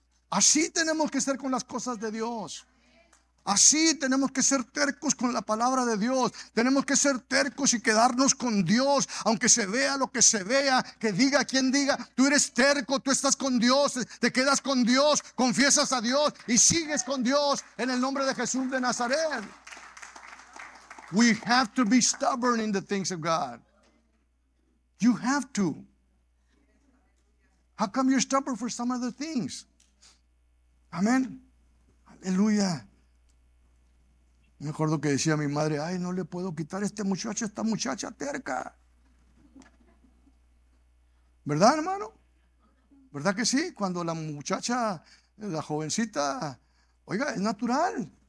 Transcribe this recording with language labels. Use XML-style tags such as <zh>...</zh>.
<es>Así tenemos que ser con las cosas de Dios. Así tenemos que ser tercos con la palabra de Dios. Tenemos que ser tercos y quedarnos con Dios, aunque se vea lo que se vea, que diga quien diga. Tú eres terco, tú estás con Dios, te quedas con Dios, confiesas a Dios y sigues con Dios en el nombre de Jesús de Nazaret.</es> <en>We have to be stubborn in the things of God. You have to. How come you're stubborn for some other things?</en> <es>Amén. Aleluya. Me acuerdo que decía mi madre, ay, no le puedo quitar a este muchacho, a esta muchacha terca. ¿Verdad, hermano? ¿Verdad que sí? Cuando la muchacha, la jovencita, oiga, es natural.</es>